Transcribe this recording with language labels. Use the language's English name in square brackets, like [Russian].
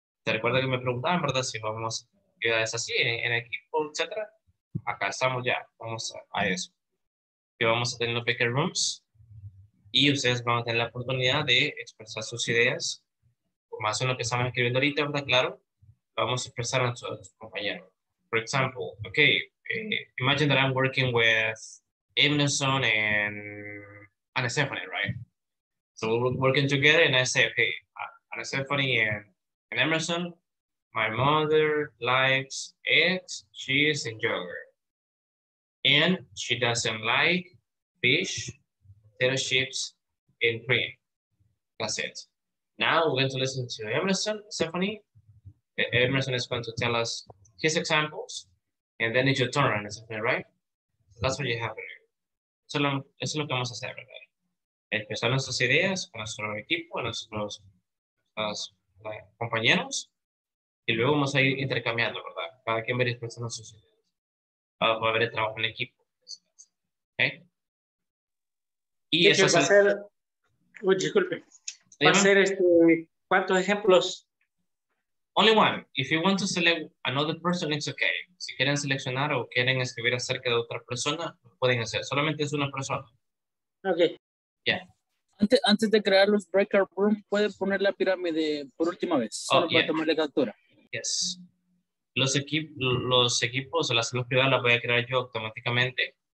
[Spanish] ¿Te recuerdas que me preguntaban, verdad, si vamos a quedar así en equipo, etcétera? Acá estamos ya, vamos a eso. Que vamos a tener los breakout rooms y ustedes van a tener la oportunidad de expresar sus ideas, o más en lo que estamos escribiendo ahorita, ¿verdad? Claro, vamos a expresar a nuestros compañeros. [English] For example, okay, imagine that I'm working with Emerson and Stephanie, right? So we're working together and I say, okay, Stephanie and Emerson, my mother likes eggs, cheese, and yogurt. And she doesn't like fish, potato chips, and cream. That's it. Now we're going to listen to Emerson, Stephanie. Emerson is going to tell us his examples. And then it's your turn, and Stephanie, right? So that's what you have here. [Spanish] Eso es lo que vamos a hacer, ¿verdad? Empezar nuestras ideas con nuestro equipo, nuestros compañeros, y luego vamos a ir intercambiando, ¿verdad? Cada quien va a ir expresando sus ideas. Va a haber el trabajo en el equipo. ¿Ok? Y eso va a ser. Disculpe. ¿Va a ser cuántos ejemplos? [English] Only one. If you want to select another person, it's okay. [Spanish] Si quieren seleccionar o quieren escribir acerca de otra persona, lo pueden hacer. Solamente es una persona. Ok. Yeah. Antes de crear los breakout rooms, puedes poner la pirámide por última vez, solo para tomar la captura. [English] Yes. [Spanish] Los equipos, las células privadas las voy a crear yo automáticamente.